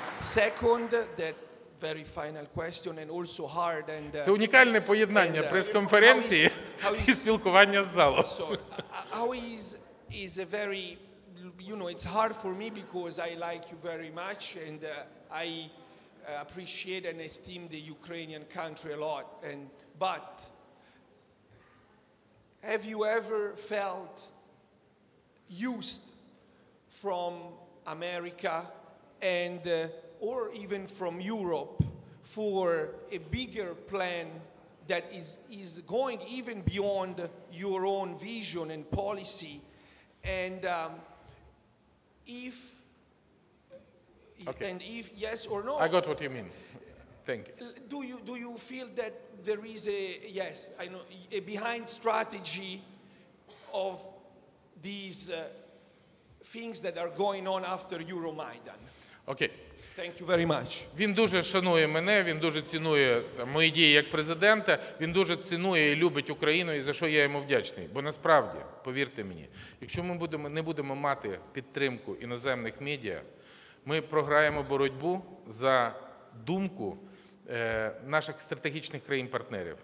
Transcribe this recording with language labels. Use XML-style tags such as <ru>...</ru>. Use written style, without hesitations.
<en>Second, that very final question and also hard and</en> <uk>це унікальне поєднання прес-конференції і спілкування з залом.</uk> <en>So, how is a very, you know, it's hard for me because I like you very much and I appreciate and esteem the Ukrainian country a lot and but have you ever felt used from America and or even from Europe for a bigger plan that is going even beyond your own vision and policy? And if yes or no, I got what you mean. Thank you. Do you feel that there is a, yes, I know, a behind strategy of these things that are going on after Euromaidan? Okay. Thank you very much.</en> <uk>Він дуже шанує мене, він дуже цінує мої дії як президента, він дуже цінує і любить Україну, і за що я йому вдячний. Бо насправді, повірте мені, якщо ми не будемо мати підтримку іноземних медіа, ми програємо боротьбу за думку наших стратегічних країн-партнерів.</uk>